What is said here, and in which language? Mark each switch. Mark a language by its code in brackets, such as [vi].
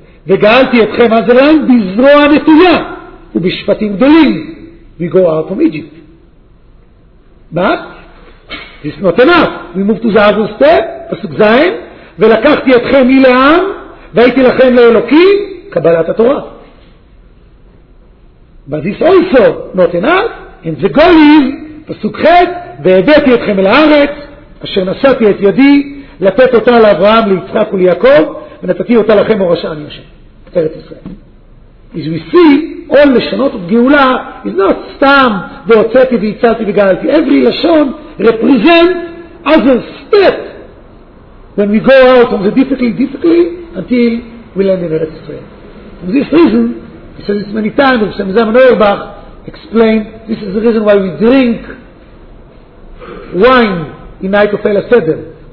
[he] וגאלתי אתכם עזריים בזרוע נטויה ובשפטים גדולים. [en] We go out from Egypt. But it's not enough. We move to the other step. [he] פסוק זיין. ולקחתי אתכם אל העם והייתי לכם לאלוקי, קבלת התורה. [en] But this also not enough, and the goal is, [he] פסוק ח', והבאתי אתכם אל הארץ, אשר נשאתי את ידי, לתת אותה לאברהם, ליצחק וליעקב, ונתתי אותה לכם מורשה, אני השם. ארץ ישראל. [en] As we see, all [he] לשנות וגאולה, [en] is not [he] סתם, והוצאתי והצלתי וגאלתי. [en] Every לשון represent as a step when we go out on the difficulty until we land in ארץ ישראל. For this reason, he says this many times, Rav Shemzem Neuerbach explained, this is the reason why we drink wine in night of El HaSeder.